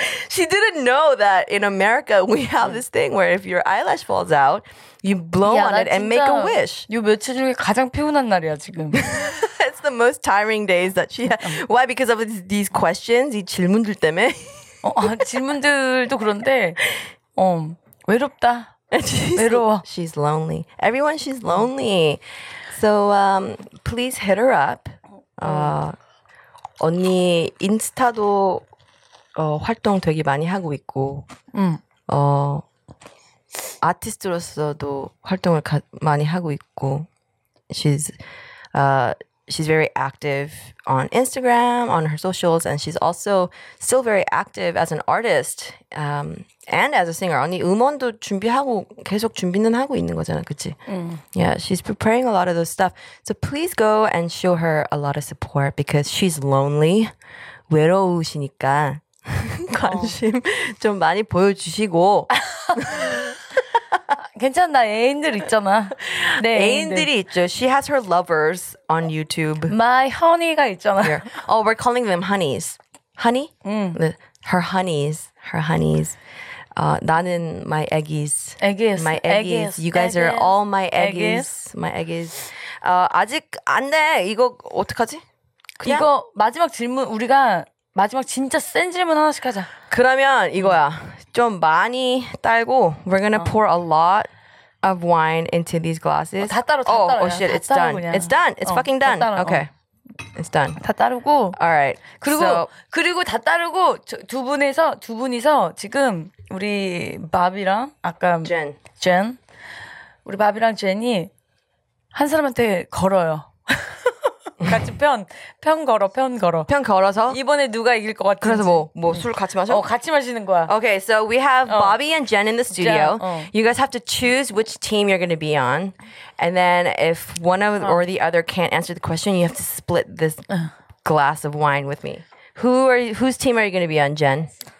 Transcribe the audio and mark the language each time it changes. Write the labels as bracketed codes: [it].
[en] She didn't know that in America we have this thing where if your eyelash falls out, you blow on it and make a wish. [ko] 요 며칠 중에 가장 피곤한 날이야 지금. [en] It's the most tiring days that she had. Why? Because of these questions, [ko] 이 질문들 때문에. 질문들도 그런데. 외롭다. [en] She's, she's lonely. Everyone, she's lonely. So please hit her up. [ko] 언니 인스타도 활동 되게 많이 하고 있고 [en] 아티스트로서도 활동을 많이 하고 있고 she's she's very active on Instagram, on her socials, and she's also still very active as an artist and as a singer. [ko] 언니 음원도 준비하고 계속 준비는 하고 있는 거잖아, 그치? [en] Yeah, she's preparing a lot of those stuff. So please go and show her a lot of support because she's lonely. [ko] 외로우시니까 관심 좀 많이 보여주시고 괜찮다. 애인들 있잖아. 네, 애인들이 있죠. [en] She has her lovers on YouTube. [ko] My honey가 있잖아. [en] Here. Oh, we're calling them honeys. Honey? Her honeys. Her honeys. [ko] 나는 my eggies. [en] Eggies. My eggies. Eggies. You guys eggies. Are all my eggies. Eggies. My eggies. [ko] 아직 안 돼. 이거 어떡하지? 그냥? 이거 마지막 질문. 우리가 마지막 진짜 센 질문 하나씩 하자. 그러면 이거야. 좀 많이 딸고 [en] we're gonna pour a lot of wine into these glasses. [ko] 다 따로 다 따로. [en] Oh shit, it's done. 그냥. It's done. It's fucking done. 따로, okay. It's done. [ko] 다 따르고. [en] All right. [ko] 그리고 so, 그리고 다 따르고 두 분에서 두 분이서 지금 우리 밥이랑 아까 젠. 젠. 우리 밥이랑 젠이 한 사람한테 걸어요. 같이 편 걸어서 이번에 누가 이길 것 같은지 그래서 뭐 술 같이 마셔? 같이 마시는 거야. [en] Okay, so we have Bobby and Jen in the studio. You guys have to choose which team you're going to be on, and then if one of or the other can't answer the question, you have to split this glass of wine with me. Whose team are you going to be on, Jen?